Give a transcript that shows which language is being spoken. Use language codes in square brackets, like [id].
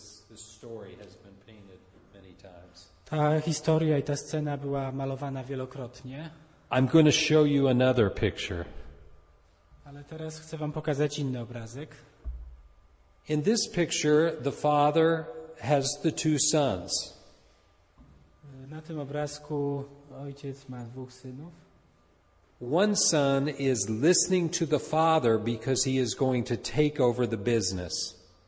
[en] This story has been painted many times. [pl] Ta historia i ta scena była malowana wielokrotnie. [en] I'm going to show you another picture. [pl] Ale teraz chcę wam pokazać inny obrazek. [en] In this picture the father has the two sons. [pl] Na tym obrazku ojciec ma dwóch synów. [en] One son is listening to the father because he is going to take over the business.